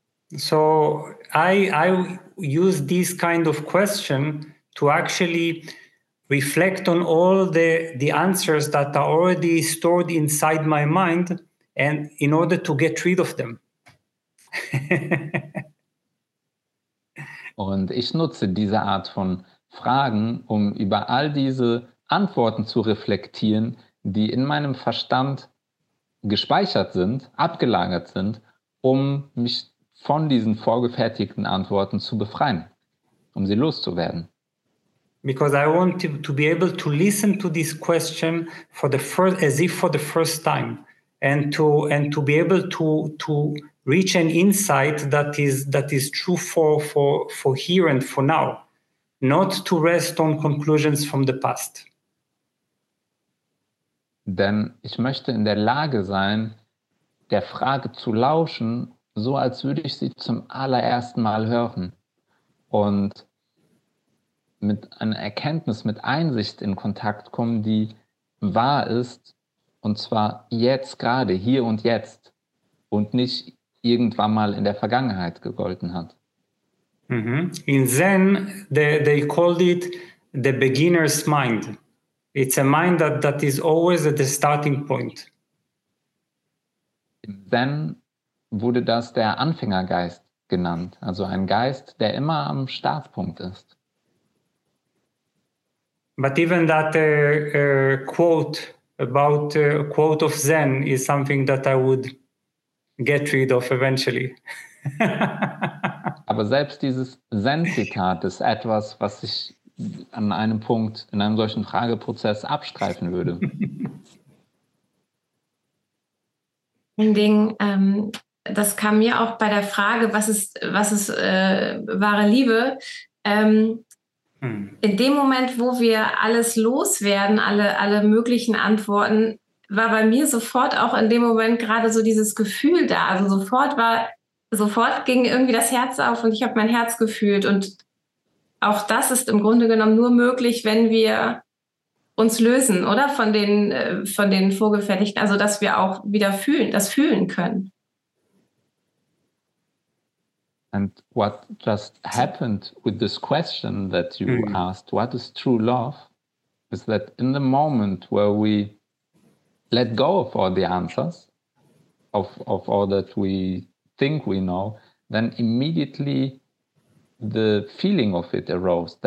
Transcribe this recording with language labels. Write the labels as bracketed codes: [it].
[en] So I use this kind of question to actually reflect on all the answers that are already stored inside my mind and in order to get rid of them. [de] Und ich nutze diese Art von Fragen, um über all diese Antworten zu reflektieren, die in meinem Verstand gespeichert sind, abgelagert sind, um mich von diesen vorgefertigten Antworten zu befreien, um sie loszuwerden. [en] Because I want to be able to listen to this question for the first, as if for the first time, and to be able to reach an insight that is true for here and for now, not to rest on conclusions from the past. [de] Denn ich möchte in der Lage sein, der Frage zu lauschen, so als würde ich sie zum allerersten Mal hören und mit einer Erkenntnis, mit Einsicht in Kontakt kommen, die wahr ist, und zwar jetzt gerade, hier und jetzt, und nicht irgendwann mal in der Vergangenheit gegolten hat. Mm-hmm. [en] In Zen, they called it the beginner's mind. It's a mind that is always at the starting point. [de] In Zen wurde das der Anfängergeist genannt, also ein Geist, der immer am Startpunkt ist. [en] But even that quote about quote of Zen is something that I would get rid of eventually. [de] Aber selbst dieses Zen-Zitat ist etwas, was ich an einem Punkt in einem solchen Frageprozess abstreifen würde. Ein Ding, das kam mir auch bei der Frage, was ist wahre Liebe? In dem Moment, wo wir alles loswerden, alle möglichen Antworten, war bei mir sofort auch in dem Moment gerade so dieses Gefühl da. Also sofort ging irgendwie das Herz auf und ich habe mein Herz gefühlt. Und auch das ist im Grunde genommen nur möglich, wenn wir uns lösen, oder? Von den Vorgefertigten, also dass wir auch wieder fühlen, das fühlen können. [en] And what just happened with this question that you asked, what is true love, is that in the moment where we let go of all the answers, of all that we think we know, then immediately the feeling of it arose.